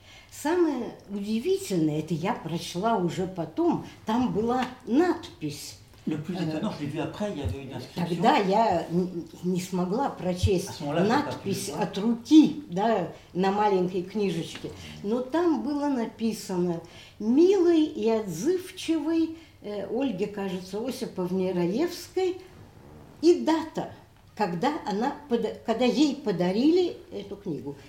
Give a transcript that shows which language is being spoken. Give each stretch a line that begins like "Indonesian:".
Russian: Самое удивительное, это я прочла уже потом, там была надпись.
French: Le plus étonnant, je l'ai vu après, il y avait une inscription.
Russian: Тогда я не смогла прочесть надпись от руки, да, на маленькой книжечке. Но там было написано: «Милой и отзывчивой Ольге, кажется, Осиповне Раевской», и дата, когда она, когда ей подарили эту книгу.